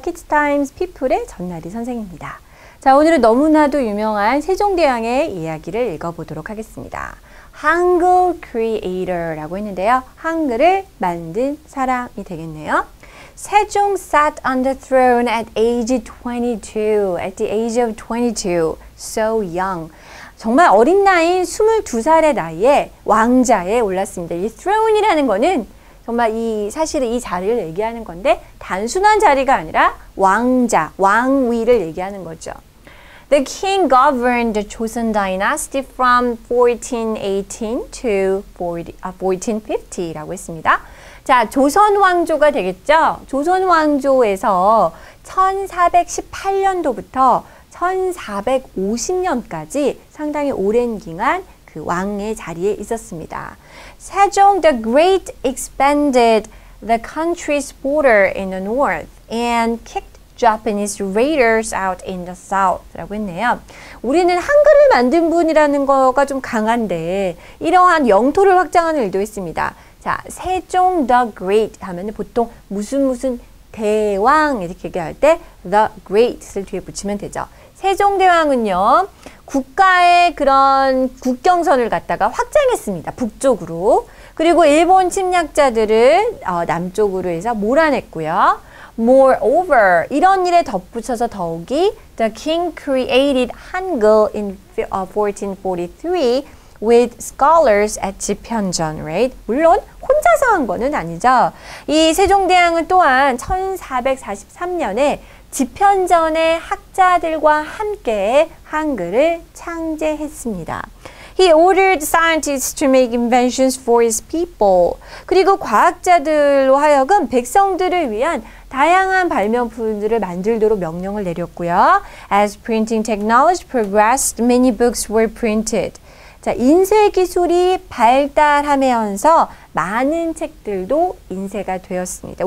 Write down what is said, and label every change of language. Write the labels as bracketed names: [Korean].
[Korean] 키즈타임스 피플의 전나리 선생입니다. 자, 오늘은 너무나도 유명한 세종대왕의 이야기를 읽어보도록 하겠습니다. 한글 크리에이터라고 했는데요. 한글을 만든 사람이 되겠네요. [English] 세종 sat on the throne at age 22, at the age of 22, so young. [Korean] 정말 어린 나이인 22살의 나이에 왕좌에 올랐습니다. 이 throne이라는 거는 정말 이 사실은 이 자리를 얘기하는 건데 단순한 자리가 아니라 왕좌, 왕위를 얘기하는 거죠. [English] The king governed the Joseon dynasty from 1418 to 1450 [Korean] 라고 했습니다. 자, 조선 왕조가 되겠죠? 조선 왕조에서 1418년도부터 1450년까지 상당히 오랜 기간 그 왕의 자리에 있었습니다. [English] 세종 the great expanded the country's border in the north and kicked Japanese raiders out in the south [Korean] 라고 했네요. 우리는 한글을 만든 분이라는 거가 좀 강한데 이러한 영토를 확장하는 일도 있습니다. 자, 세종 the great 하면 보통 무슨 무슨 대왕 이렇게 얘기할 때 the great을 뒤에 붙이면 되죠. 세종대왕은요, 국가의 그런 국경선을 갖다가 확장했습니다. 북쪽으로. 그리고 일본 침략자들을 남쪽으로 해서 몰아냈고요. [English] Moreover, [Korean] 이런 일에 덧붙여서 더욱이 [English] The king created Hangul in 1443 with scholars at 집현전, right? [Korean] 물론 혼자서 한 거는 아니죠. 이 세종대왕은 또한 1443년에 집현전의 학자들과 함께 한글을 창제했습니다. [English] He ordered scientists to make inventions for his people. [Korean] 그리고 과학자들로 하여금 백성들을 위한 다양한 발명품들을 만들도록 명령을 내렸고요. [English] As printing technology progressed, many books were printed. [Korean] 자, 인쇄 기술이 발달하면서 많은 책들도 인쇄가 되었습니다.